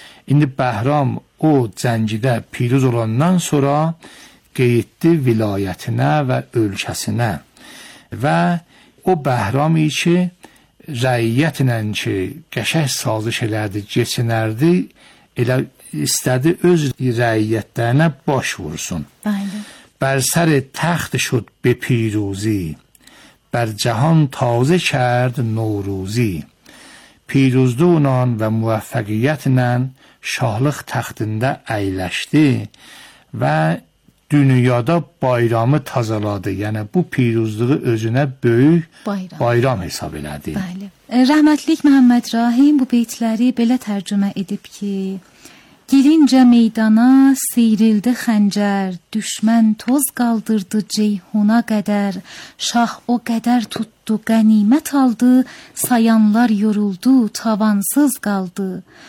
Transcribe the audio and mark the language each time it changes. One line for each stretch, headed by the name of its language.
Azerbaijani: İndi Bəhram o cəngidə piruz olandan sonra qeyddi vilayətinə və ölkəsinə və o Bəhram içi rəiyyətlə ki, qəşək sazış elədi, keçinərdi, elə istədi öz rəiyyətlərinə baş vursun. Bəli.
Persian: Bərsər təxt şud be piruzi, bər cəhan tazı kərd noruzi.
Azerbaijani: Piruzdu unan və müvəffəqiyyətlə şahlıq təxtində əyləşdi və dünyada bayramı tazaladı. Yəni bu piruzluğu özünə böyük bayram hesab elədi. Bəli. Rəhmətlik Məhəmməd Rahim bu beytləri belə tərcümə edib ki: Girincə meydana seyrildi xəncər, düşmən toz qaldırdı ceyhuna qədər, şah o qədər tutdu, qənimət aldı, sayanlar yoruldu, tavansız qaldı.